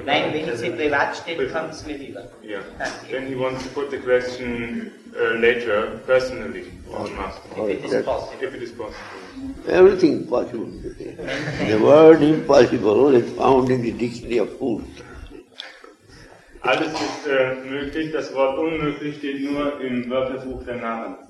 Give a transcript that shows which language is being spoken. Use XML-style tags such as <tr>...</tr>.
<de>Nein, wenn ich sie privat stelle, kommt es mir lieber. Ja.</de> <en>Then he wants to put the question later, personally, on the master. If it is possible. If it is possible. Everything is possible. The word impossible is found in the dictionary of fools.</en> <de>Alles ist möglich, das Wort unmöglich steht nur im Wörterbuch der Narren.</de>